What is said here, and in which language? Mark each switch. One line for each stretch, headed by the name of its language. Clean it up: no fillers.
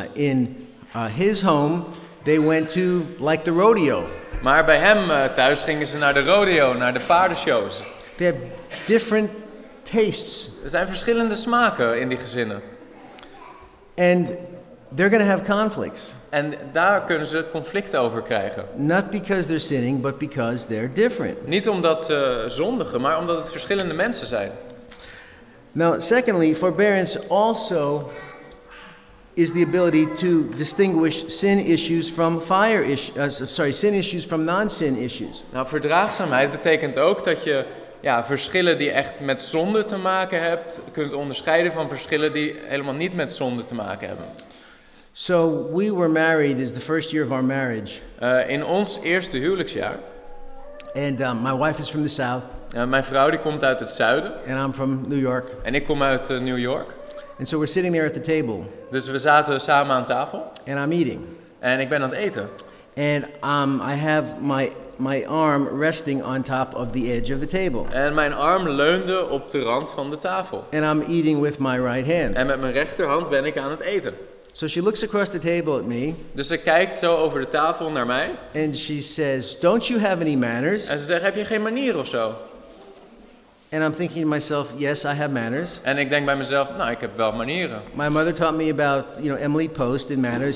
English: In his home they went to like the rodeo.
Dutch: Maar bij hem thuis gingen ze naar de rodeo, naar de paardenshows.
English: They have different tastes.
Dutch: Er zijn verschillende smaken in die gezinnen.
English: And they're going to have conflicts.
Dutch: En daar kunnen ze conflicten over krijgen.
English: Not because they're sinning, but because they're different.
Dutch: Niet omdat ze zondigen, maar omdat het verschillende mensen zijn.
English: Now, secondly, forbearance also is the ability to distinguish sin issues from fire issues. Sin issues from non-sin issues.
Dutch: Nou, verdraagzaamheid betekent ook dat je verschillen die echt met zonde te maken hebt, kunt onderscheiden van verschillen die helemaal niet met zonde te maken hebben.
English: So we were married is the first year of our marriage.
Dutch: In ons eerste huwelijksjaar.
English: And my wife is from the south.
Dutch: Mijn vrouw die komt uit het zuiden.
English: And I'm from New York.
Dutch: En ik kom uit New York.
English: And so we're sitting there at the table.
Dutch: Dus we zaten samen aan tafel.
English: And I'm eating.
Dutch: En ik ben aan het eten.
English: And I have my arm resting on top of the edge of the table.
Dutch: En mijn arm leunde op de rand van de tafel.
English: And I'm eating with my right hand.
Dutch: En met mijn rechterhand ben ik aan het eten.
English: So she looks across the table at me.
Dutch: Dus ze kijkt zo over de tafel naar mij.
English: And she says, "Don't you have any manners?"
Dutch: En ze zegt, heb je geen manieren of zo?
English: And I'm thinking to myself, yes, I have manners.
Dutch: En ik denk bij mezelf, nou, ik heb wel manieren.
English: My mother taught me about, you know, Emily Post in manners.